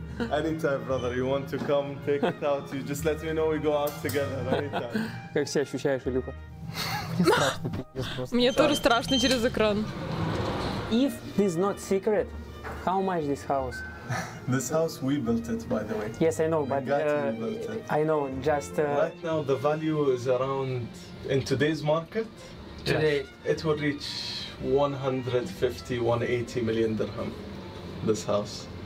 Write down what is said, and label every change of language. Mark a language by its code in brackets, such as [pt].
[en] Anytime, brother, you want to come, take it out, you just let me know, we go out together, anytime. [ru] Как себя ощущаешь, Илюха? Мне страшно, пиздец, просто. Мне тоже страшно через экран. [en] If this not secret, how much this house? This house, we built it, by the way. Yes, I know, but I know, just... Right now, the value is around, in today's market, today, it will reach 150, 180 million dirham, this house.